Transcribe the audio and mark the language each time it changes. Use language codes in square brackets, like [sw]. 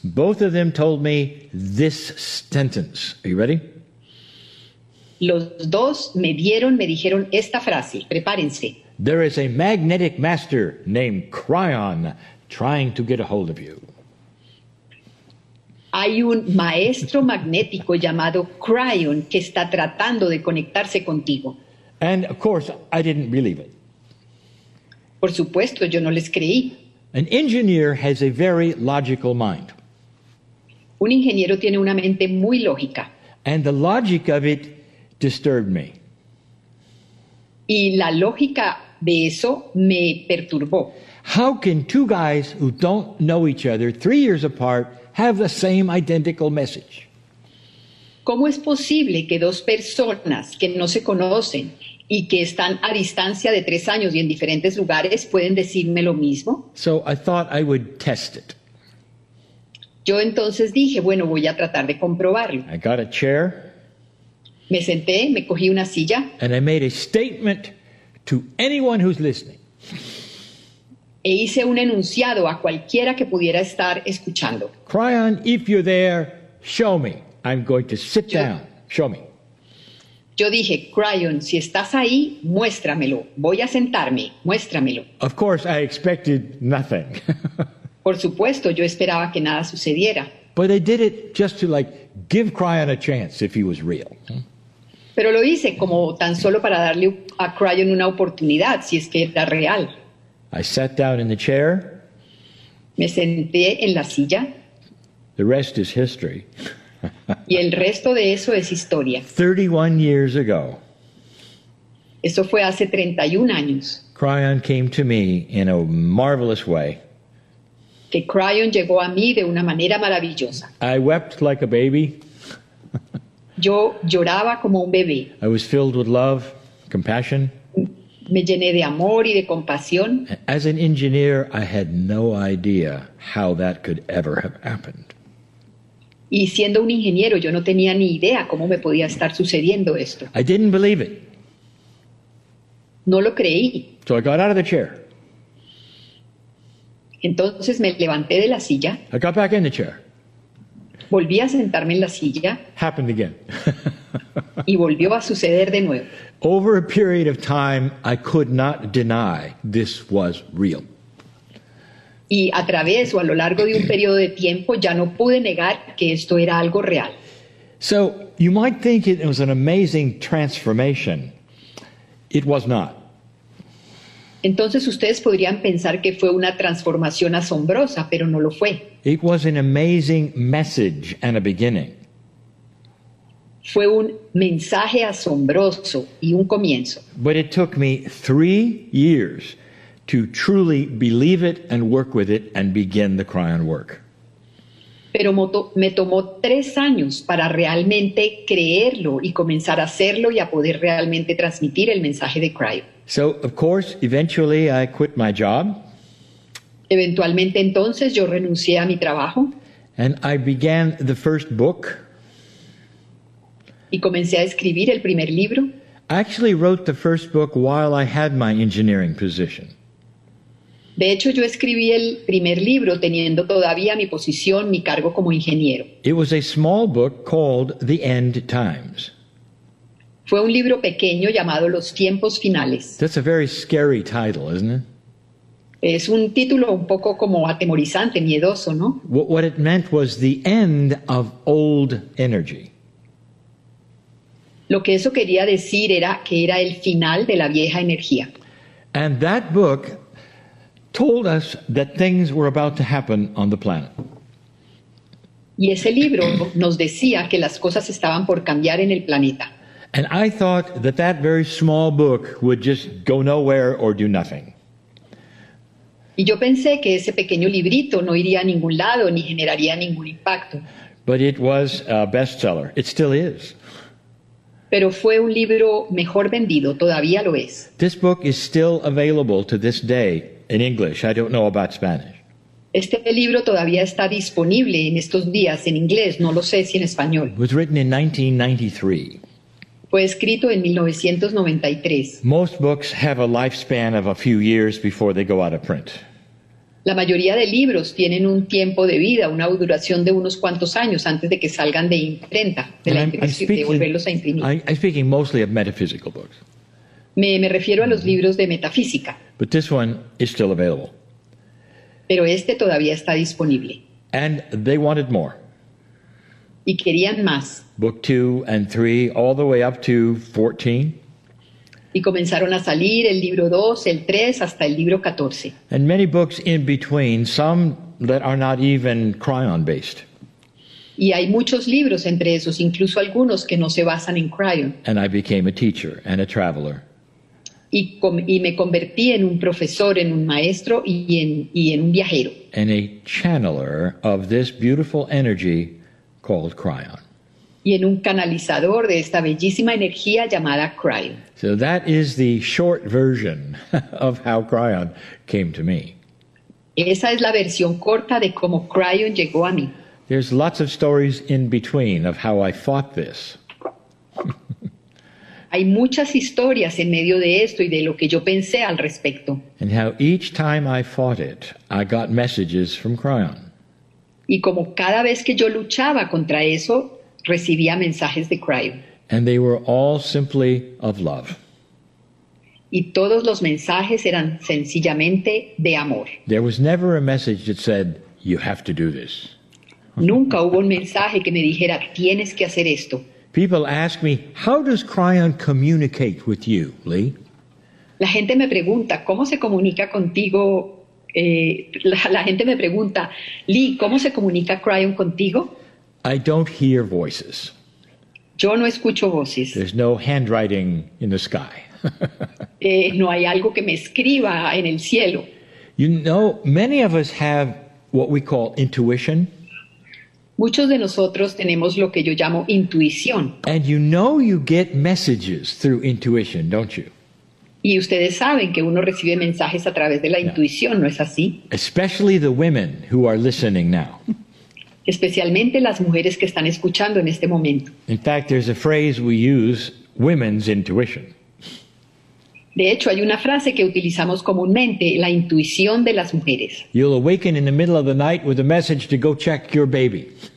[en] Both of them told me this sentence. Are you ready? [es] Los dos me dijeron esta frase. Prepárense. [en] There is a magnetic master named Kryon trying to get a hold of you. [es] Hay un maestro magnético llamado Kryon que está tratando de conectarse contigo. [en] And of course, I didn't believe it. [es] Por supuesto, yo no les creí. [en] An engineer has a very logical mind. [es] Un ingeniero tiene una mente muy lógica. [en] And the logic of it disturbed me. [es] Y la lógica de eso me perturbó. [en] How can two guys who don't know each other, 3 years apart, have the same identical message? [es] ¿Cómo es posible que dos personas que no se conocen y que están a distancia de 3 años y en diferentes lugares pueden decirme lo mismo? [en] So I thought I would test it. [es] Yo entonces dije, bueno, voy a tratar de comprobarlo. [en] I got a chair. [es] Me senté, me cogí una silla. [en] And I made a statement to anyone who's listening. [es] E hice un enunciado a cualquiera que pudiera estar escuchando. [en] Kryon, if you're there, show me. I'm going to sit down. Show me. [es] Yo dije, Kryon, si estás ahí, muéstramelo. Voy a sentarme. Muéstramelo. [en] Of course, I expected nothing. [es] Por supuesto, yo esperaba que nada sucediera. [en] But I did it just to, like, give Kryon a chance if he was real. [es] Pero lo hice como tan solo para darle a Kryon una oportunidad, si es que era real. [en] I sat down in the chair. [es] Me senté en la silla. [en] The rest is history. [es] Y el resto de eso es historia. [en] 31 years ago. [es] Eso fue hace 31 años. [en] Kryon came to me in a marvelous way. [es] Que Kryon llegó a mí de una manera maravillosa. [en] I wept like a baby. [es] Yo lloraba como un bebé. [en] I was filled with love, compassion. [es] Me llené de amor y de compasión. [en] As an engineer, I had no idea how that could ever have happened. [es] Y siendo un ingeniero, yo no tenía ni idea cómo me podía estar sucediendo esto. [en] I didn't believe it. [es] No lo creí. [en] So I got out of the chair. [es] Entonces me levanté de la silla. [en] I got back in the chair. [es] Volví a sentarme en la silla. [en] Happened again. [es] Y volvió a suceder de nuevo. [en] Over a period of time, I could not deny this was real. [es] Y a través o a lo largo de un periodo de tiempo, ya no pude negar que esto era algo real. [en] So, you might think it was an amazing transformation. It was not. [es] Entonces, ustedes podrían pensar que fue una transformación asombrosa, pero no lo fue. [en] It was an amazing message and a beginning. [es] Fue un mensaje asombroso y un comienzo. [en] But it took me 3 years to truly believe it and work with it and begin the Kryon work. [es] pero me tomó 3 años para realmente creerlo y comenzar a hacerlo y a poder realmente transmitir el mensaje de Cryo. [en] So, of course, eventually I quit my job. [es] Eventualmente, entonces, yo renuncié a mi trabajo. [en] And I began the first book. [es] Y comencé a escribir el primer libro. [en] I actually wrote the first book while I had my engineering position. [es] De hecho, yo escribí el primer libro teniendo todavía mi posición, mi cargo como ingeniero. [en] It was a small book called The End Times. [es] Fue un libro pequeño llamado Los Tiempos Finales. [en] That's a very scary title, isn't it? [es] Es un título un poco como atemorizante, miedoso, ¿no? [en] What it meant was the end of old energy. [es] Lo que eso quería decir era que era el final de la vieja energía. [en] And that book told us that things were about to happen on the planet. [es] Y ese libro nos decía que las cosas estaban por cambiar en el planeta. [en] And I thought that that very small book would just go nowhere or do nothing. [es] Y yo pensé que ese pequeño librito no iría a ningún lado ni generaría ningún impacto. [en] But it was a bestseller. It still is. [es] Pero fue un libro mejor vendido, todavía lo es. [en] This book is still available to this day in English. I don't know about Spanish. [es] Este libro todavía está disponible en estos días en inglés, no lo sé si en español. [en] It was written in 1993. [es] Fue escrito en 1993. [en] Most books have a lifespan of a few years before they go out of print. [es] La mayoría de libros tienen un tiempo de vida, una duración de unos cuantos años antes de que salgan de imprenta, de volverlos a imprimir. [en] I'm books. [es] Me refiero a los libros de metafísica. [en] But this one is still available. [es] Pero este todavía está disponible. [en] And they wanted more. [es] Y querían más. [en] Book 2 and 3, all the way up to 14. [es] Y comenzaron a salir el libro 2, el 3, hasta el libro 14. [en] And many books in between, some that are not even Cryon based. [es] Y hay muchos libros entre esos, incluso algunos que no se basan en Cryon. [en] And I became a teacher and a traveler. [es] Y me convertí en un profesor, en un maestro y en un viajero. [en] And a channeler of this beautiful energy called Cryon. [es] Y en un canalizador de esta bellísima energía llamada Cryon. [en] So that is the short version of how Cryon came to me. [es] Esa es la versión corta de cómo Cryon llegó a mí. [en] There's lots of stories in between of how I fought this. [es] Hay muchas historias en medio de esto y de lo que yo pensé al respecto. [en] And how each time I fought it, I got messages from Cryon. [es] Y como cada vez que yo luchaba contra eso, recibía mensajes de Cryo. [en] And they were all simply of love. [es] Y todos los mensajes eran sencillamente de amor. [en] There was never a message that said, you have to do this. [es] Nunca hubo un mensaje que me dijera, tienes que hacer esto. [en] People ask me, how does Cryon communicate with you, Lee? [es] La gente me pregunta, ¿cómo se comunica contigo? La gente me pregunta, Lee, ¿cómo se comunica Cryon contigo? [en] I don't hear voices. [es] Yo no escucho voces. [en] There's no handwriting in the sky. [es] No hay algo que me escriba en el cielo. [en] You know, many of us have what we call intuition. [es] Muchos de nosotros tenemos lo que yo llamo intuición. [en] And you know you get messages through intuition, don't you? [es] Y ustedes saben que uno recibe mensajes a través de la intuición, ¿no es así? [en] Especially the women who are listening now. [es] Especialmente las mujeres que están escuchando en este momento. [en] In fact, there's a phrase we use, women's intuition. [es] De hecho, hay una frase que utilizamos comúnmente, la intuición de las mujeres. [en] You'll awaken in the middle of the night with a message to go check your baby.